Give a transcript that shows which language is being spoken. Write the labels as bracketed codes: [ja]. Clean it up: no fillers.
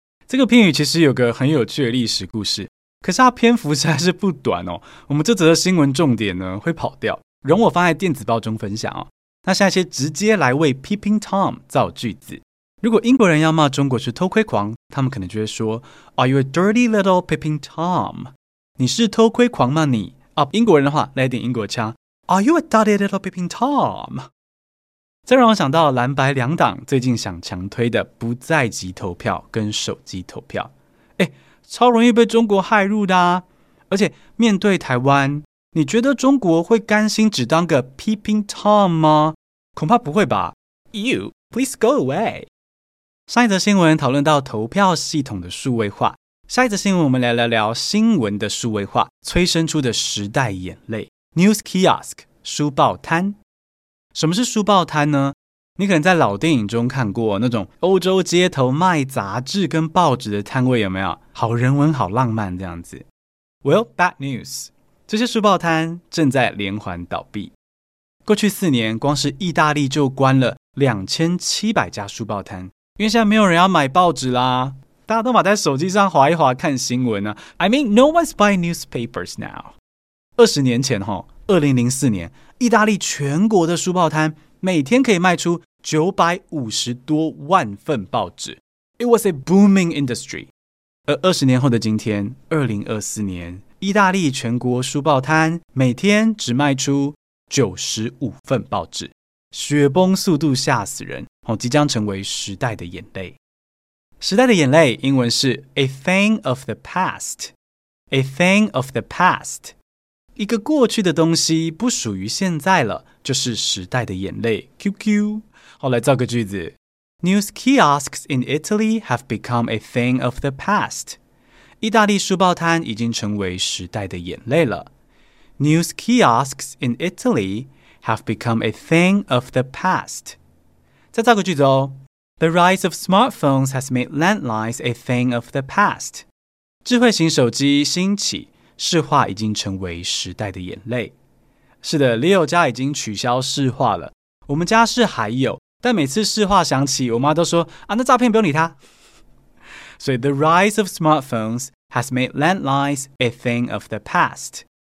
[zh] 这个片语其实有个很有趣的历史故事，可是它篇幅实在是不短哦。我们这则的新闻重点呢会跑掉，容我放在电子报中分享哦。那现在先直接来为 Peeping Tom 造句子。如果英国人要骂中国是偷窥狂，他们可能就会说 [en] Are you a dirty little Peeping Tom? [zh] 你是偷窥狂吗你？啊，英国人的话来点英国腔 [en] Are you a dirty little Peeping Tom? [zh] 再让我想到蓝白两党最近想强推的不在籍投票跟手机投票，哎，超容易被中国害入的啊！而且面对台湾，你觉得中国会甘心只当个 Peeping Tom 吗？恐怕不会吧。 [en] You please go away。 [zh] 上一则新闻讨论到投票系统的数位化，下一则新闻我们来聊聊新闻的数位化催生出的时代眼泪 ——News Kiosk 书报摊。什么是书报摊呢？你可能在老电影中看过那种欧洲街头卖杂志跟报纸的摊位，有没有？好人文好浪漫这样子。 [en] Well, bad news， [zh] 这些书报摊正在连环倒闭。过去4年，光是意大利就关了2700家书报摊，因为现在没有人要买报纸啦，大家都把在手机上滑一滑看新闻啊。 [en] I mean, no one's buying newspapers now。 [zh] 20年前，2004年意大利全国的书报摊每天可以卖出950多万份报纸。 [en] It was a booming industry. [zh] 而20年后的今天，2024年，意大利全国书报摊每天只卖出95份报纸，雪崩速度吓死人，即将成为时代的眼泪。时代的眼泪，英文是 [en] a thing of the past. A thing of the past. [zh] 一个过去的东西不属于现在了，就是时代的眼泪。 QQ， 好，来造个句子。 [en] News kiosks in Italy have become a thing of the past. [zh] 意大利书报摊已经成为时代的眼泪了。 [en] News kiosks in Italy have become a thing of the past. [zh] 再造个句子哦。 [en] The rise of smartphones has made landlines a thing of the past. [zh] 智慧型手机兴起。市话已经成为时代的眼泪。是的， Leo 家已经取消市话了，我们家是还有，但每次市话响起，我妈都说啊，那诈骗不用理他。所以 [en] The rise of smartphones has made landlines a thing of the past。